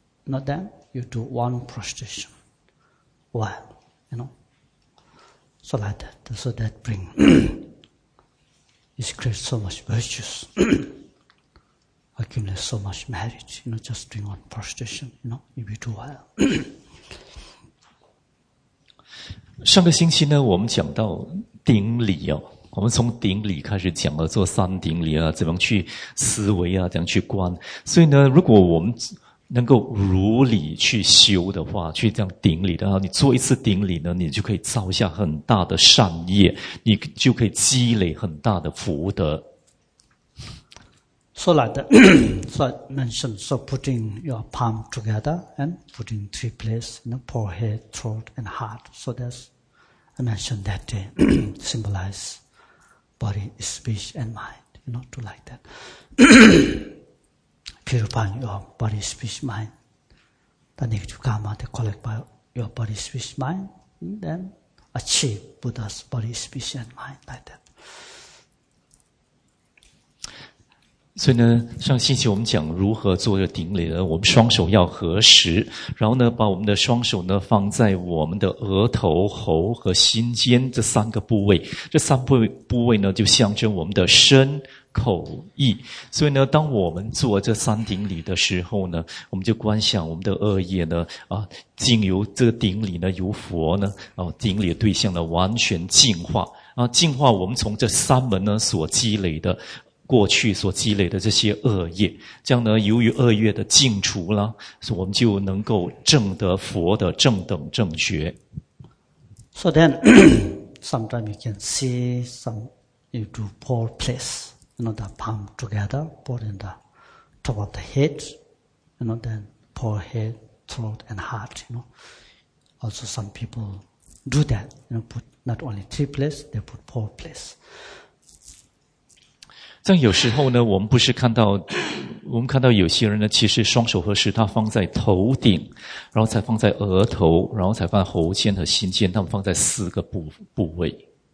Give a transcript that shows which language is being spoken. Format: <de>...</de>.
<en>Not that, you do one prostration. One, you know. So like that. So that bring... It creates so much virtues, accumulates so much merit, you know, just doing one prostration, you know, if you do well.</en> <zh>上个星期呢，我们讲到顶礼哦，我们从顶礼开始讲了，做三顶礼啊，怎么去思维啊，怎么去观。所以呢，如果我们能够如理去修的话，去这样顶礼的话，你做一次顶礼呢，你就可以造下很大的善业，你就可以积累很大的福德。</zh> <en>So like that, so I mentioned, so putting your palm together and putting three places, you know, forehead, throat, and heart. So that's, I mentioned that day, symbolize body, speech, and mind. You know, do like that. Purifying your body, speech, mind. The negative karma that collect by your body, speech, mind. Then achieve Buddha's body, speech, and mind like that.</en> <zh>所以呢，上星期我们讲如何做这个顶礼呢？我们双手要合十，然后呢，把我们的双手呢放在我们的额头、喉和心间这三个部位。这三部位呢，就象征我们的身。口意，所以呢，当我们做这三顶礼的时候呢，我们就观想我们的恶业呢，啊，经由这个顶礼呢，由佛呢，啊，顶礼的对象呢，完全净化，啊，净化我们从这三门呢所积累的，过去所积累的这些恶业，这样呢，由于恶业的净除啦，我们就能够证得佛的正等正觉。</zh> <en>So then, sometimes you can see some. you do pole place, you know, the palm together, pole in the top of the head, you know, then pole head, throat and heart, you know. Also some people do that, you know, put not only three place, they put pole place.</en> <zh>但有时候呢，我们不是看到，我们看到有些人呢，其实双手和食指放在头顶，然后才放在额头，然后才放在喉间和心间，他们放在四个部位。</zh>